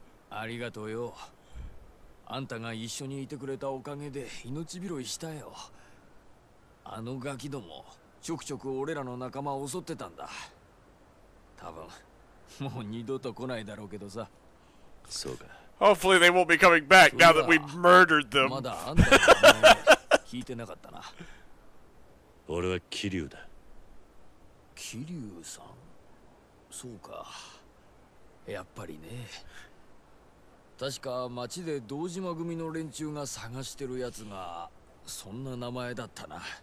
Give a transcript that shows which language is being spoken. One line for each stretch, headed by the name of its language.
Japanese: ありがとうよ。あんたが一緒にいてくれたおかげで命拾いしたよ。あのガキどもちょくちょく俺らの仲間を襲ってたんだ。多分もう二度と来ないだろうけどさ。そうか。
English: Hopefully they won't be coming back now that we murdered them.
Japanese: まだあんたの名前聞いてなかったな。俺は桐生だ。キリュウさん、そうか。やっぱりね。確か町で堂島組の連中が探してるやつがそんな名前だったな。